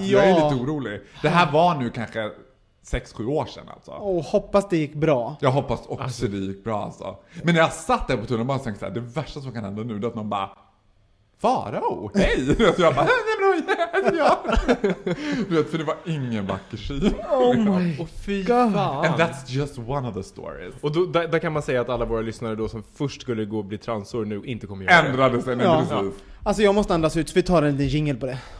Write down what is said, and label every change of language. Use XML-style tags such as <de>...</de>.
<sv>För jag är lite orolig. Det här var nu kanske 6-7 år sedan alltså. Och hoppas det gick bra. Jag hoppas också alltså, det gick bra alltså. Men när jag satt där på tunnelbanan och tänkte så här, det värsta som kan hända nu är att någon bara, Farao, hej! Så jag bara, det är bra, du vet, för det var ingen vacker syn.</sv> <en>Oh my god. And that's just one of the stories.</en> <sv>Och då, där kan man säga att alla våra lyssnare då som först skulle gå och bli transor nu inte kommer göra ändrade det. Ändrade sig, men precis. Alltså jag måste andas ut, så vi tar en liten jingle på det.</sv>